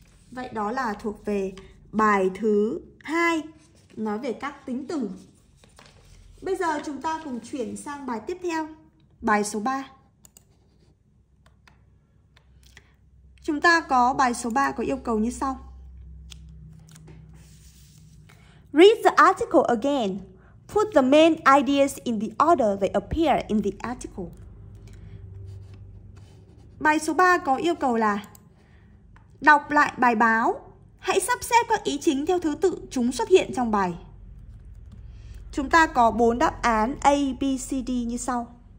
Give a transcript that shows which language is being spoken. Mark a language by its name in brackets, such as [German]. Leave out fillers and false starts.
[Vietnamese] Vậy đó là thuộc về bài thứ 2, nói về các tính từ. Bây giờ chúng ta cùng chuyển sang bài tiếp theo, bài số 3. Chúng ta có bài số 3 có yêu cầu như sau. [English] Read the article again. Put the main ideas in the order they appear in the article. [Vietnamese] Bài số 3 có yêu cầu là đọc lại bài báo. Hãy sắp xếp các ý chính theo thứ tự chúng xuất hiện trong bài. Chúng ta có 4 đáp án A, B, C, D như sau.